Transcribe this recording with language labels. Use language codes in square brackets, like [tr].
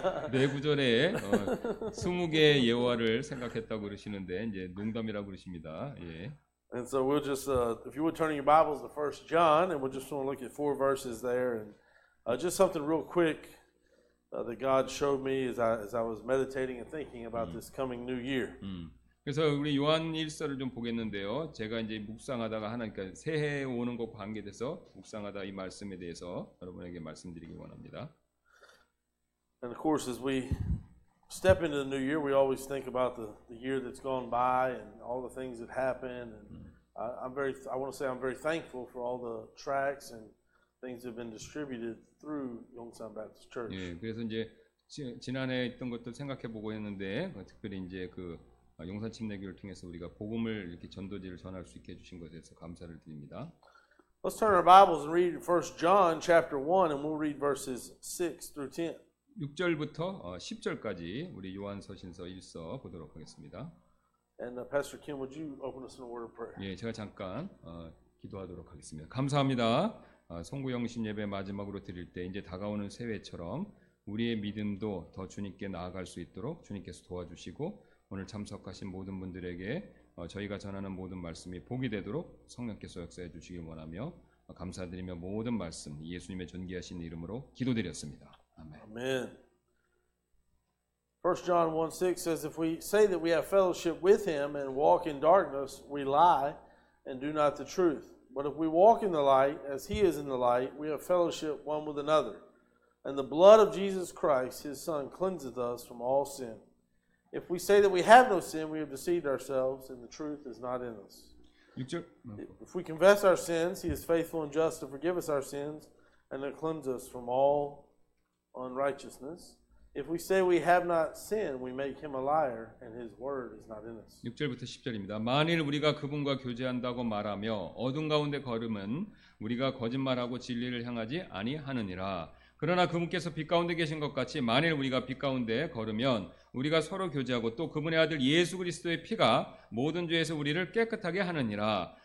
[ko] 네 구절에 20개의 예화를 생각했다고 그러시는데 이제 농담이라고 그러십니다. 예. [en] And so we'll just, if you would turn your Bibles to 1 John, and we'll just want to look at four verses there. And just something real quick that God showed me as I was meditating and thinking about this coming new year. [ko] 그래서 우리 요한 1서를 좀 보겠는데요. 제가 이제 묵상하다가 하나니까 새해 오는 것 관계돼서 묵상하다 이 말씀에 대해서 여러분에게 말씀드리기 원합니다. [en] And of course, as we step into the new year, we always think about the year that's gone by and all the things that happened. And I want to say I'm very thankful for all the tracts and things that have been distributed through Yongsan Baptist Church. [ko] 예, 그래서 이제 지난해 있던 것들 생각해 보고 했는데 특별히 이제 그 용산 침례교를 통해서 우리가 복음을 이렇게 전도지를 전할 수 있게 해 주신 것에 대해서 감사를 드립니다. [en] Let's turn our Bibles and read 1 John chapter 1 and we'll read verses 6 through 10. [ko] 6절부터 10절까지 우리 요한서신서 1서 보도록 하겠습니다. [en] And Pastor Kim, would you open us in a word of prayer? [ko] 예, 제가 잠깐 기도하도록 하겠습니다. 감사합니다. 송구 영신 예배 마지막으로 드릴 때 이제 다가오는 새해처럼 우리의 믿음도 더 주님께 나아갈 수 있도록 주님께서 도와주시고 오늘 참석하신 모든 분들에게 저희가 전하는 모든 말씀이 복이 되도록 성령께서 역사해 주시길 원하며 감사드리며 모든 말씀 예수님의 존귀하신 이름으로 기도드렸습니다. 아멘. 아멘. [en] 1 John 1:6 says if we say that we have fellowship with him and walk in darkness we lie and do not the truth. But if we walk in the light as he is in the light we have fellowship one with another. And the blood of Jesus Christ his son cleanseth us from all sin. If we say that we have no sin, we have deceived ourselves, and the truth is not in us. [ko] 6절. [en] If we confess our sins, He is faithful and just to forgive us our sins and to cleanse us from all unrighteousness. If we say we have not sinned, we make Him a liar, and His word is not in us. [ko] 6절부터 10절입니다. 만일 우리가 그분과 교제한다고 말하며 어둠 가운데 걸음은 우리가 거짓말하고 진리를 향하지 아니하느니라. 그러나 그분께서 빛 가운데 계신 것 같이 만일 우리가 빛 가운데 걸으면 우리가 서로 교제하고 또 그분의 아들 예수 그리스도의 피가 모든 죄에서 우리를 깨끗하게 하느니라.